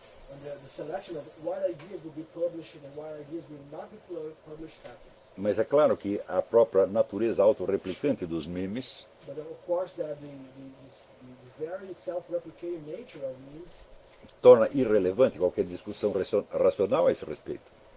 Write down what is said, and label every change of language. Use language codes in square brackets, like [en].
[en] When the selection of what ideas will be published and what ideas will not be published happens. [pt] Mas é claro que a própria natureza autorreplicante dos memes, [en] but of course that the very self-replicating nature of memes, [pt] torna irrelevante qualquer discussão racional a esse respeito.